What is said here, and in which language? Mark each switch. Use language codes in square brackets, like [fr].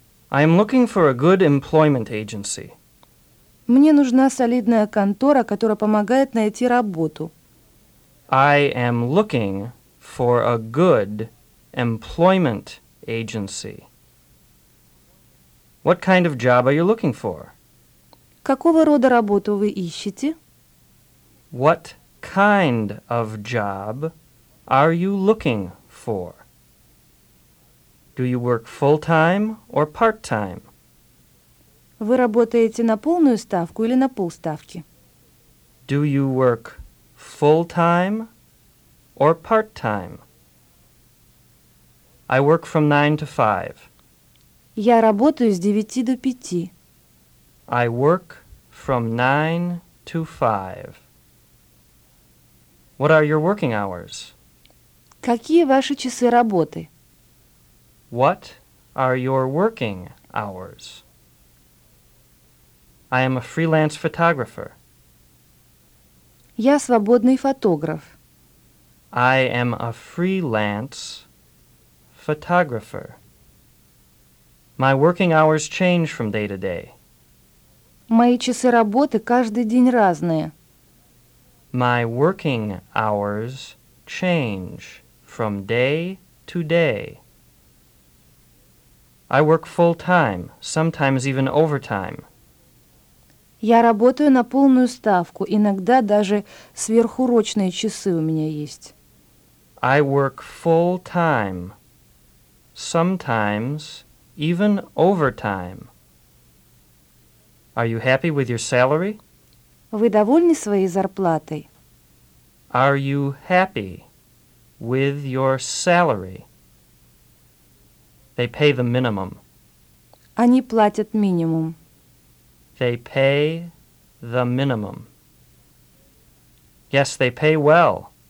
[en] I am looking for a good employment agency. [ru] Мне нужна солидная контора, которая помогает найти работу. [en] I am looking for a good employment agency. What kind of job are you looking for? [ru] Какого рода работу вы ищете? [en] What kind of job are you looking for? Do you work full-time or part-time? [ru] Вы работаете на полную ставку или на полставки? [en] Do you work full-time or part-time? I work from 9 to 5. [ru] Я работаю с 9 до 5. [en] I work from 9 to 5. What are your working hours? [ru] Какие ваши часы работы? [en] What are your working hours? I am a freelance photographer. [ru] Я свободный фотограф. [en] I am a freelance photographer. My working hours change from day to day. [ru] Мои часы работы каждый день разные. [en] My working hours change from day to day. I work full-time, sometimes even overtime. [ru] Я работаю на полную ставку, иногда даже сверхурочные часы у меня есть. [en] I work full-time, sometimes even overtime. Are you happy with your salary? [ru] Вы довольны своей зарплатой? [en] Are you happy with your salary? They pay the minimum. [ru] Они платят минимум. [en] They pay the minimum. Yes, they pay well.